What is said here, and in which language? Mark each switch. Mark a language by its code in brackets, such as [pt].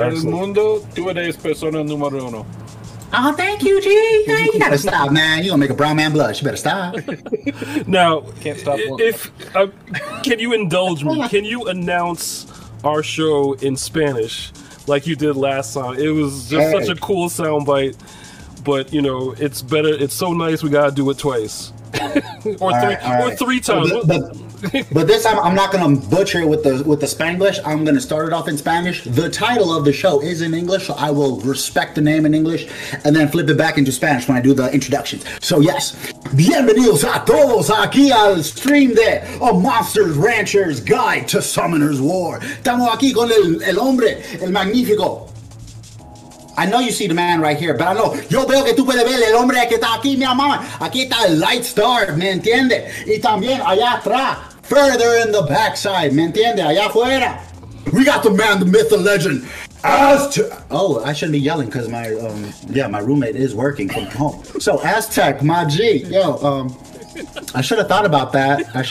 [es] el mundo, tú eres persona número uno. [en] Oh, thank you, G. You gotta stop, man. You're gonna make a brown man blush. You better stop. Now, can't stop. If can you indulge me? Can you announce our show in Spanish like you did last time? It was just such a cool soundbite. But, you know, it's better. It's so nice we gotta do it twice. or three times. But this time I'm not gonna butcher it with the Spanglish. I'm gonna start it off in Spanish. The title of the show is in English, so I will respect the name in English and then flip it back into Spanish when I do the introductions. So yes. [es] Bienvenidos a todos aquí al stream de A Monsters Rancher's Guide to Summoner's War. Estamos aquí con el hombre, el magnífico. [en] I know you see the man right here, but I know. [es] Yo veo que tú puedes ver el hombre que está aquí, mi amor. Aquí está el Light Star, ¿me entiende? Y también allá atrás, [en] further in the backside, [es] ¿me entiende? Allá afuera. [en] We got the man, the myth, the legend. I shouldn't be yelling because my roommate is working from home. So Aztec, my G, yo, I should have thought about that.